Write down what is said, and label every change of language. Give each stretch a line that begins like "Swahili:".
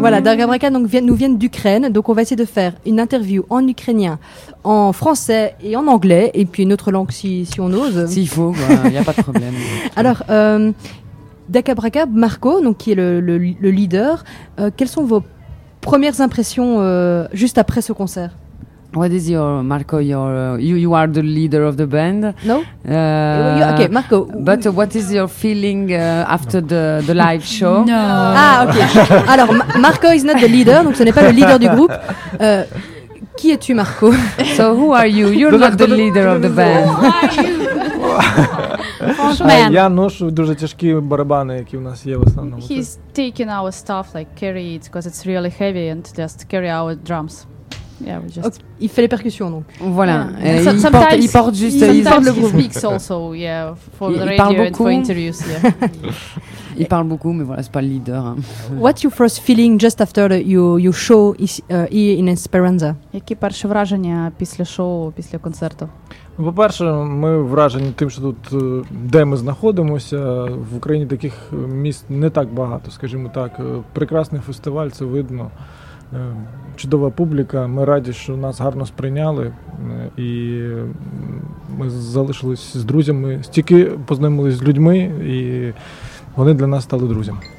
French: Voilà, Daka Braka donc vient d'Ukraine, donc on va essayer de faire une interview en ukrainien, en français et en anglais, et puis une autre langue si on ose. S'il faut, il n'y a pas de problème. Alors, Daka Braka, Marco, donc qui est le leader, quelles sont vos premières impressions juste après ce concert?
English: What is your Marco? Your you are the leader of the band. No. Okay, Marco. But what is your feeling after the live show? No. Ah, okay. Alors, Marco is not the leader.
French: Donc, ce n'est pas le leader du groupe. Qui es-tu, Marco?
English: So who are you? You're not the leader of the band. Who are you?
Ukrainian: Я ношу дуже тяжкі барабани, які в нас є в основному.
English: He's taking our stuff, like carry it, because it's really heavy, and just carry our drums. Yeah, we just. Okay.
French: Il fait les percussions donc. Voilà. Yeah. Il porte juste. Il porte le groupe.
English: Also, yeah, for the radio and for interviews. Yeah.
French: Il parle beaucoup, mais voilà, c'est pas le leader. Hein.
English: What's your first feeling just after your show here in Esperanza?
Ukrainian: Які перші враження після шоу, після концерту? По-перше, ми вражені тим, що тут, де ми знаходимося, в Україні таких міст не так багато, скажімо так. Прекрасний фестиваль, це видно. Чудова публіка, ми раді, що нас гарно сприйняли, і ми залишились з друзями, стільки познайомились з людьми, і вони для нас стали друзями.